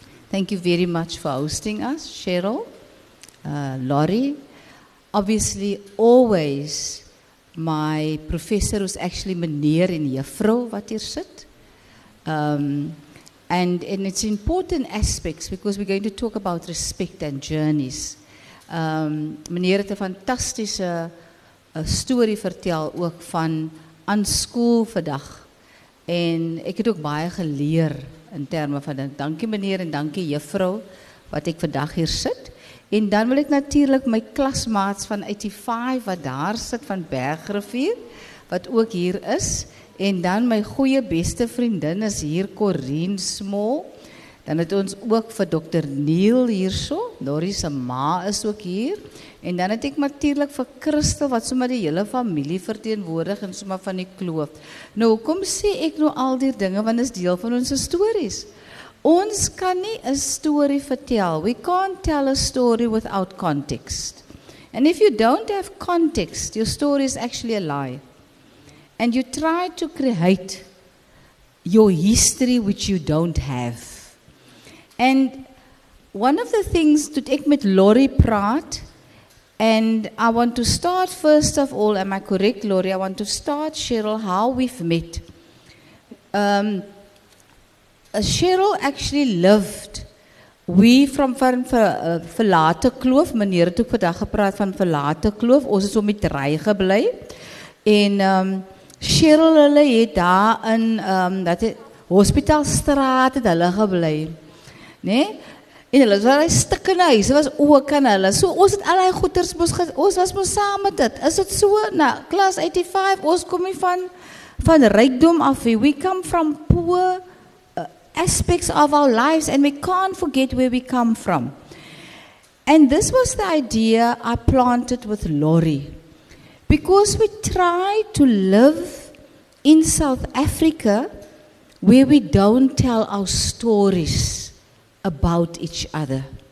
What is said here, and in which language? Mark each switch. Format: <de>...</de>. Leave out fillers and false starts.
<en>Thank you very much for hosting us, Cheryl, Laurie. Obviously, always my professor was actually</en> <af>meneer en juffrou wat hier sit.</af> <en>And it's important aspects because we're going to talk about respect and journeys.</en> <af>Meneer het 'n fantastiese story vertel ook van aan skool vandag. En ek het ook baie geleer in terme van dit. Dankie meneer en dankie juffrou wat ek vandag hier sit. En dan wil ek natuurlik my klasmaats van 85 wat daar sit van Bergrivier, wat ook hier is. En dan my goeie beste vriendin is hier Corine Smol. Dan het ons ook vir Dr. Neil hierso. Norrie se ma is ook hier. En dan het ek natuurlik vir Christel wat sommer die hele familie verteenwoordig en sommer van die kloof. Nou hoekom sê ek nou al die dinge want is deel van ons stories? Ons kan nie 'n story vertel.</af> <en>We can't tell a story without context. And if you don't have context, your story is actually a lie. And you try to create your history which you don't have. And one of the things</en> <af>toe ek met Laurie praat,</af> <en>and I want to start first of all, am I correct, Laurie? I want to start, Cheryl, how we've met. Cheryl actually lived. We from</en> <af>Verlate Kloof, meneer het ook vandag gepraat van Verlate Kloof. Ons is om die rye gebly. En Cheryl hulle het daar in dat Hospitaalstraat het hulle gebly. Né? Nee? En hulle was daai stikkende huis, was ook aan hulle. So ons het al daai goeders mos ons was mos saam met dit. Is dit so? Nou, klas 85, ons kom nie van van rijkdom af.</af> <en>We come from poor aspects of our lives and we can't forget where we come from. And this was the idea I planted with Laurie. Because we try to live in South Africa where we don't tell our stories about each other.</en>